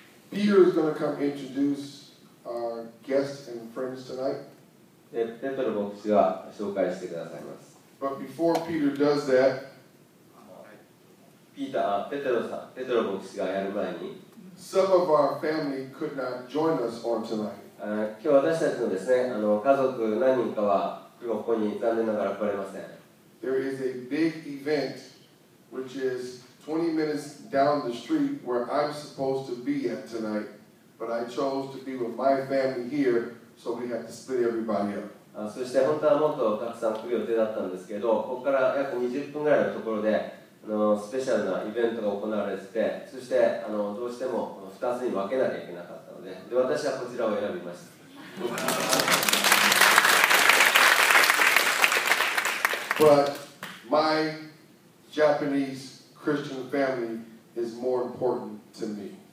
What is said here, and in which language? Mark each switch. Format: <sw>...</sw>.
<en>Peter is going to come introduce our guests and friends tonight.</en> <ja>ペトロ牧師が紹介してくださいます。</ja> <en>But before Peter does that,</en> <ja>ペトロ牧師がやる前に、</ja> <en>some of our family could not join us on tonight.</en> <ja>今日私たちのですね、家族何人かは今ここに残念ながら来れません。</ja> <en>There is a big event which is20 minutes down the street where I'm supposed to be at tonight, but I chose to be with my family here, so we have to split everybody up.</en> <ja>そして本当はもっとたくさん来る予定だったんですけど、ここから約20分ぐらいのところで、スペシャルなイベントが行われてて、そして、どうしても2つに分けなきゃいけなかったので、で、私はこちらを選びました。</ja> <en>But my Japanese Christian family is more important to me.</en>